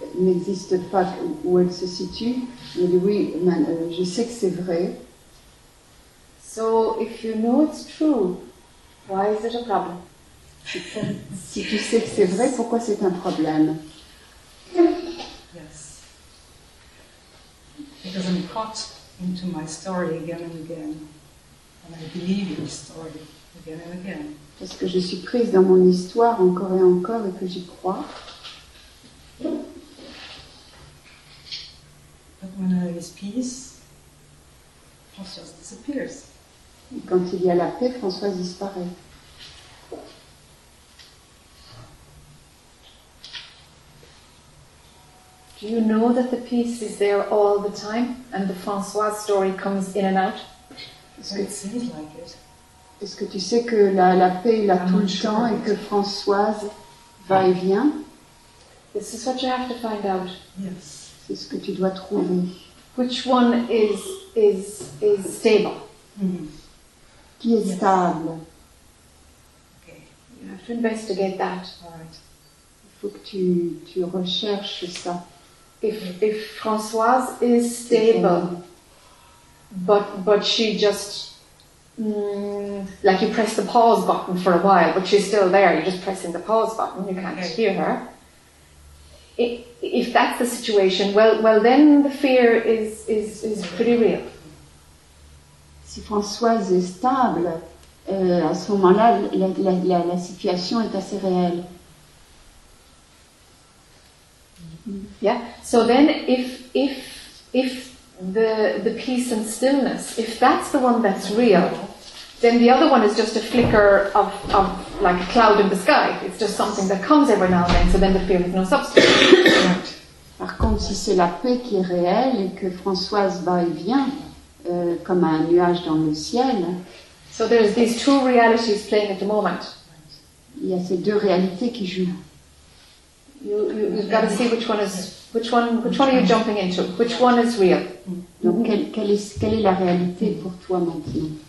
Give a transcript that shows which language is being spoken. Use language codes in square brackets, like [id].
[fr] N'existe pas où elle se situe, mais oui, je sais que c'est vrai. [en] So, if you know it's true, why is it a problem? [fr] Si tu sais que c'est vrai, pourquoi c'est un problème? [en] Yes. Because I'm caught into my story again and again, and I believe in the story again and again. [fr] Parce que je suis prise dans mon histoire encore et encore et que j'y crois. [en] But when there is peace, Françoise disappears. [fr] Et quand il y a la paix, Françoise disparaît. [en] Do you know that the piece is there all the time and the Françoise story comes in and out? [fr] Est-ce que tu sais que la paix est là tout le temps et que Françoise va et vient? [en] This is what you have to find out. Yes. [fr] C'est ce que tu dois trouver. [en] Which one is stable? Mm-hmm. [fr] Qui est stable? [en] Okay. You have to investigate that. Right. [fr] Il faut que tu recherches ça. [en] If Françoise is stable, but she just like you press the pause button for a while, but she's still there. You're just pressing the pause button. You can't hear her. If that's the situation, well, then the fear is pretty real. [fr] Si Françoise est stable, à ce moment-là, la situation est assez réelle. [en] Yeah. So then, if the peace and stillness, if that's the one that's real, then the other one is just a flicker of like a cloud in the sky. It's just something that comes every now and then. So then the fear has no substance. Right. [fr] Par contre, si c'est la paix qui est réelle et que Françoise va et vient comme un nuage dans le ciel. [en] So there's these two realities playing at the moment. [fr] Il y a ces deux réalités qui jouent. [en] You've got to see which one are you jumping into? Which one is real? [fr] Donc quelle est la réalité pour toi maintenant?